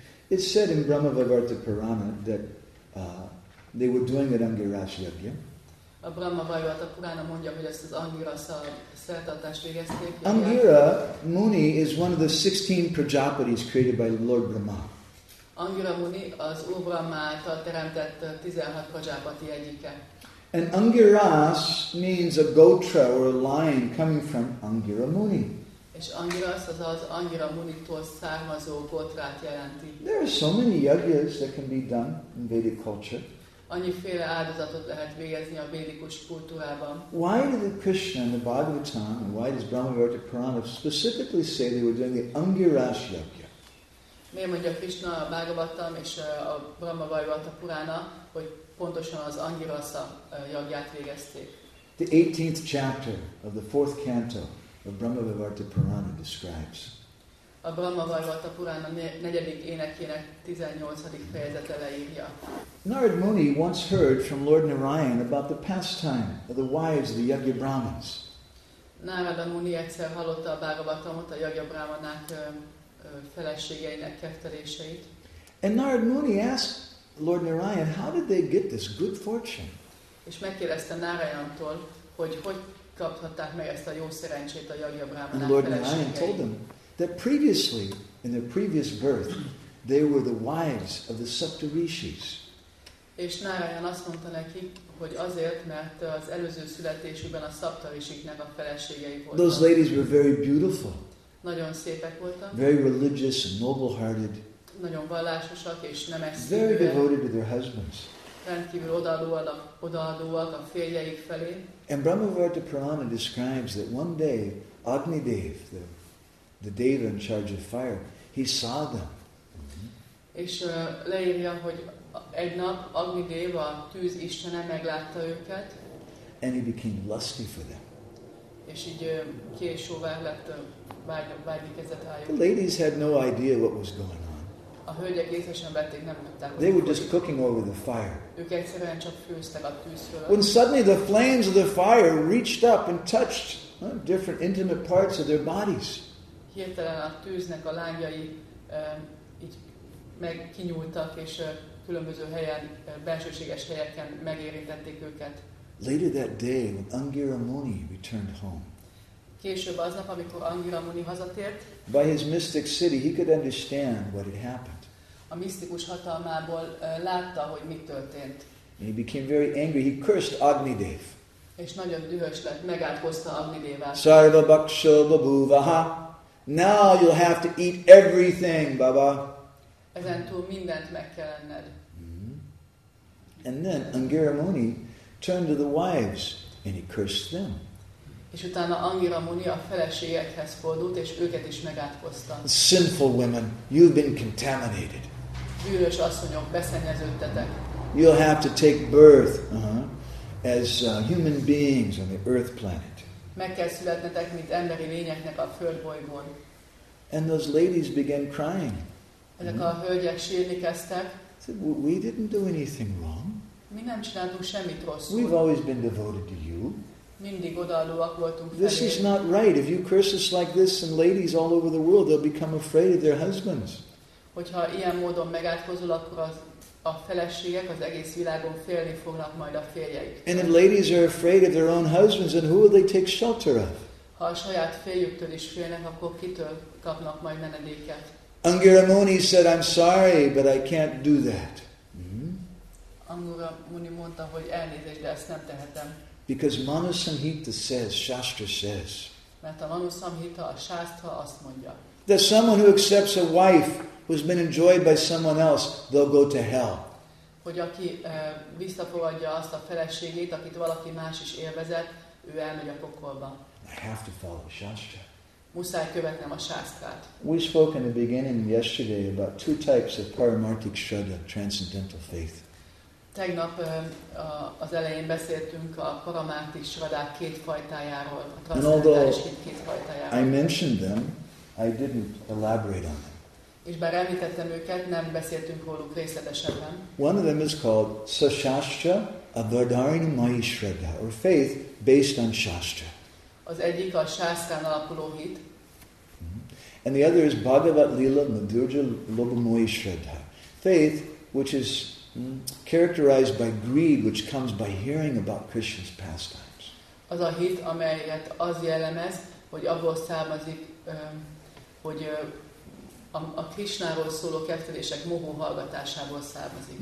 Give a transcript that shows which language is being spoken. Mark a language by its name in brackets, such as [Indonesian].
[English] It's said in Brahmavavarta Purana that they were doing an Angiras yagya. [Hungarian] A Brahmavavarta Purana mondja, hogy ezt az Angiras a szertartást végezték. [English] Angira Muni is one of the 16 Prajapatis created by Lord Brahma. [Hungarian] Angira Muni az Úr Brahma által teremtett 16 Prajapati egyike. [English] And Angiras means a gotra or a line coming from Angira Muni. [Hungarian] És Angiras az az Angira Muni-tól származó gotrát jelenti. [English] There are so many yagyas that can be done in Vedic culture. [Hungarian] Annyiféle áldozatot lehet végezni a védikus kultúrában. [English] Why did the Krishna and the Bhagavatam and why does Brahmavarta Purana specifically say they were doing the Angiras yagya? [Hungarian] Miért mondja Krishna a Bhagavatam és a Brahmavarta Purana, hogy pontosan az Angiras yagyát végezték? [English] The 18th chapter of the 4th canto of Brahmavarta Purana describes. [Hungarian] A Brahmavarta Purana 4. énekének 18. fejezete leírja. [English] Narad Muni once heard from Lord Narayan about the pastime of the wives of the Yagya Brahmins. [Hungarian] Narada Muni egyszer hallotta a Bhagavatamot, a Yagya Brahmanák feleségeinek kefteléseit. [English] And Narad Muni asked Lord Narayan, how did they get this good fortune? [Hungarian] És megkérdezte Narayantól, hogy kaphatták meg ezt a jó szerencsét a Yagya Brahmanák feleségeit. [English] And Lord Narayan told them that previously, in their previous birth, they were the wives of the Saptarishis. [Hungarian] És Narayan azt mondta neki, hogy azért, mert az előző születésükben a Saptarishiknek a feleségei voltak. [English] Those ladies were very beautiful. [Hungarian] Nagyon szépek voltak. [English] Very religious and noble-hearted. [Hungarian] Nagyon vallásosak és nemes szívűek. [English] Very devoted to their husbands. [Hungarian] Rendkívül odaadóak a férjeik felé. [English] And Brahmavarta Purana describes that one day, Agnidev, the deva in charge of fire, he saw them. [Hungarian] És leírja, hogy egy nap Agnidev, a tűz istene meglátta őket. [English] And he became lusty for them. [Hungarian] És így késővel lett vágyni kezdett rájuk. [English] The ladies had no idea what was going on. [Hungarian] A hölgyek észre sem vették, nem tudták. [English] They were just cooking over the fire. [Hungarian] Ők egyszerűen csak főztek a tűz fölött. [English] When suddenly the flames of the fire reached up and touched different intimate parts of their bodies. [Hungarian] Hirtelen a tűznek a lángjai így megkinyúltak, és különböző helyen, belsőséges helyeken megérintették őket. [English] Later that day, when Angira Muni returned home, [Hungarian] később aznap, amikor Angira Muni hazatért, [English] by his mystic city, he could understand what had happened. [Hungarian] A misztikus hatalmából látta, hogy mi történt. [English] And he became very angry. He cursed Agnidev. [Hungarian] És nagyon dühös lett, megátkozta Agnidevát. [Sanskrit] Sarva baksha babuvaha. [English] Now you'll have to eat everything, Baba. [Hungarian] Ezentúl mindent meg kell enned. [English] And then Angira Muni turned to the wives and he cursed them. [Hungarian] És utána Angira Muni a feleségekhez fordult, és őket is megátkozta. [English] Sinful women, you've been contaminated. [Hungarian] Bűnös asszonyok, beszennyeződtetek. [English] You'll have to take birth as human beings on the earth planet. [Hungarian] Meg kell születnetek, mint emberi lényeknek a földbolygón. [English] And those ladies began crying. [Hungarian] Ezek a hölgyek sírni kezdtek. [English] Said, we didn't do anything wrong. [Hungarian] Mi nem csináltunk semmit rosszul. [English] We've always been devoted to you. [Hungarian] Mindig odaadóak voltunk felé. [English] This is not right. If you curse us like this, and ladies all over the world, they'll become afraid of their husbands. [Hungarian] Hogyha ilyen módon megátkozol, akkor a feleségek az egész világon félni fognak majd a férjeik. [English] And if ladies are afraid of their own husbands, then who will they take shelter of? [Hungarian] Ha a saját férjüktől is félnek, akkor kitől kapnak majd menedéket? [English] Angira Muni said, I'm sorry, but I can't do that. [Hungarian] Angira Muni mondta, hogy elnézést, de ezt nem tehetem. [English] Because Manusamhita says, Shastra says, [Hungarian] mert a Manusamhita, a Shastra azt mondja, [English] that someone who accepts a wife who's been enjoyed by someone else, they'll go to hell. [Hungarian] Hogy aki visszafogadja azt a feleségét, akit valaki más is élvezett, ő elmegy a pokolba. [English] I have to follow Shastra. [Hungarian] Muszáj követnem a Shastrát. [English] We spoke in the beginning yesterday about two types of paramarthic shraddha, transcendental faith. [Hungarian] Tegnap az elején beszéltünk a paramarthic shraddhák két fajtájáról, a transzcendentális két fajtájáról. [English] I mentioned them, I didn't elaborate on them. [Hungarian] És bár említettem őket, nem beszéltünk róluk részletesebben. [English] One of them is called Sashastra Avadharini Mayi Shraddha, or faith based on Shastra. [Hungarian] Az egyik a Shastrán alapuló hit. [English] And the other is Bhagavat Lila Madhurja Lobamoyi Shraddha, faith which is characterized by greed, which comes by hearing about Krishna's pastimes. [Hungarian] Az a hit, amelyet az jellemez, hogy abból származik, hogy a Krishnáról szóló kedvelések mohó hallgatásából származik.